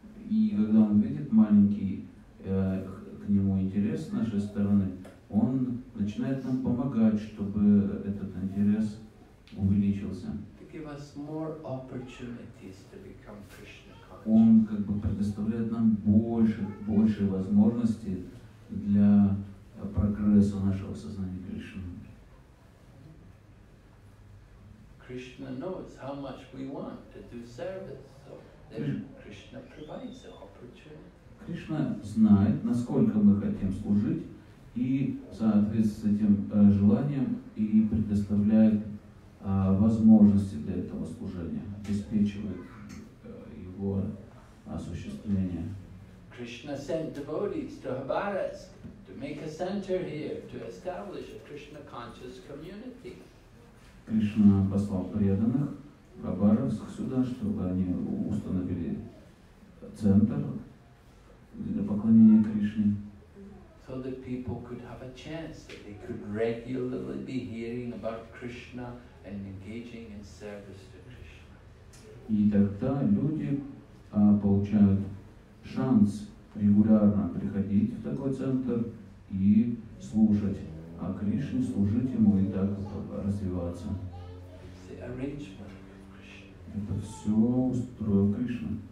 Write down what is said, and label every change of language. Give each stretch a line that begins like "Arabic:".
Russian: И когда он видит маленький к нему интерес с нашей стороны, он начинает нам помогать, чтобы этот интерес увеличился.
English: To give us more opportunities to become Krishna conscious.
Russian: Он как бы предоставляет нам больше возможностей для прогресса нашего сознания Кришны.
English: Krishna knows how much we want to do service, so Krishna provides the opportunity.
Russian: Кришна знает, насколько мы хотим служить, и в соответствии с этим желанием и предоставляет возможности для этого служения, обеспечивает его осуществление.
English: Krishna sent devotees to Khabarovsk to make a center here to establish a Krishna conscious community.
Russian: Кришна послал преданных в Хабаровск сюда, чтобы они установили центр для поклонения Кришне.
English: So that people could have a chance, that they could regularly be hearing about Krishna and engaging in service to Krishna.
Russian: И тогда люди получают шанс регулярно приходить в такой центр и слушать о Кришне, служить ему и так развиваться.
English: Arrangement of Krishna.
Russian: Это все устроил Кришна.